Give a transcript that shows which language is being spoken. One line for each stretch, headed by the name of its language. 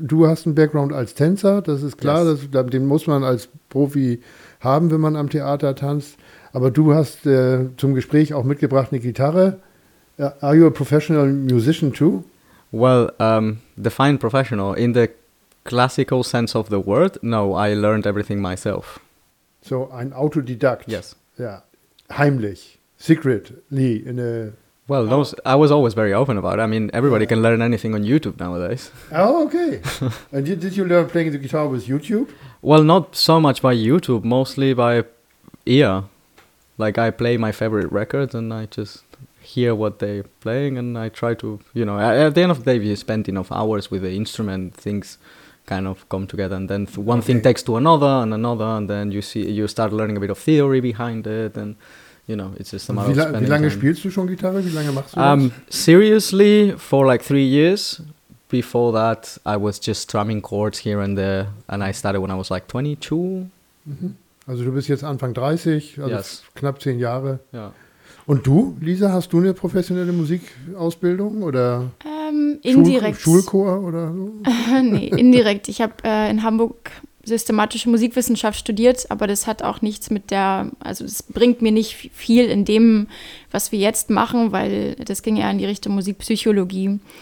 German: Du hast einen Background als Tänzer, das ist klar.
English: Yes.
German: Den muss man als Profi haben, wenn man am Theater tanzt. Aber du hast zum Gespräch auch mitgebracht eine Gitarre.
English: Are you a professional musician too? Well, define professional. In the classical sense of the word, no, I learned everything myself.
German: So, ein Autodidakt.
English: Yes. Yeah. Heimlich. Secretly. In a. Well, I was always very open about it. I mean, everybody can learn anything on YouTube nowadays. Oh, okay. And did you learn playing the guitar with YouTube? Well, not so much by YouTube, mostly by ear. Like, I play my favorite records and I just hear what they're playing and I try to, you know, at the end of the day, if you spend enough hours with the instrument, things kind of come together and then one thing takes to another and another and then you start learning a bit of theory behind it and, you know, it's just a matter of spending
German: Wie lange
English: time.
German: Spielst du schon Gitarre? Wie lange machst du
English: das? Seriously, for like 3 years. Before that, I was just strumming chords here and there and I started when I was like 22.
German: Mm-hmm. Also du bist jetzt Anfang 30, also
English: yes.
German: Knapp 10 Jahre. Ja. Yeah. Und du, Lisa, hast du eine professionelle Musikausbildung oder indirekt. Schulchor oder so? Nee, indirekt. Ich habe in Hamburg systematische Musikwissenschaft studiert, aber das hat auch nichts mit der, also das bringt mir nicht viel in dem, was wir jetzt machen, weil das ging eher in die Richtung Musikpsychologie.